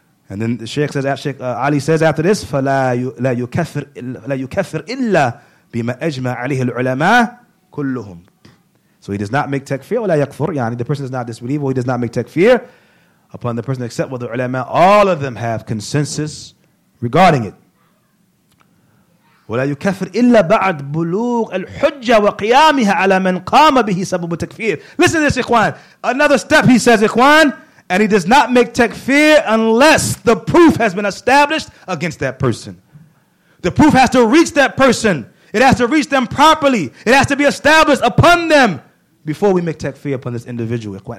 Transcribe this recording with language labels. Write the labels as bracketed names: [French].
[English] And then the Sheikh says, Ali says after this, [Arabic] فَلَا يُكَفِّرْ إِلَّا بِمَا أَجْمَعَ عَلِيهِ الْعُلَمَاء كُلُّهُمْ [English] So he does not make takfir, [Arabic] وَلَا يَكْفُرْ [English] يعني the person is not disbelieving, he does not make takfir upon the person except for the ulama. All of them have consensus regarding it. [Arabic] وَلَا يُكَفِّرْ إِلَّا بَعَدْ بُلُوغِ الْحُجَّ وَقِيَامِهَا عَلَى مَنْ قَامَ بِهِ سَبُبُ تَكْفِيرٍ [English] Listen to this, ikhwan. Another step, he says, ikhwan. And he does not make takfir unless the proof has been established against that person. The proof has to reach that person. It has to reach them properly. It has to be established upon them before we make takfir upon this individual, ikhwan.